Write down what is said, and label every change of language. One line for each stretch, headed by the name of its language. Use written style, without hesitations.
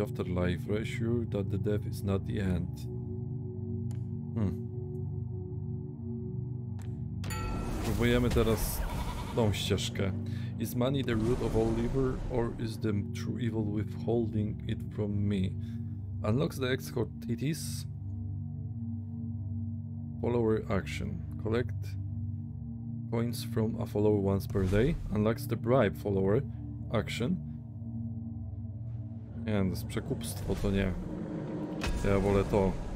English: Afterlife, reassure that the death is not the end.
Polish: Próbujemy teraz tą ścieżkę.
English: Is money the root of all evil, or is the true evil withholding it from me? Unlocks the escort TTs. Follower action. Collect coins from a follower once per day. Unlocks the bribe follower action.
Polish: Nie, to jest przekupstwo, to nie. Ja wolę to.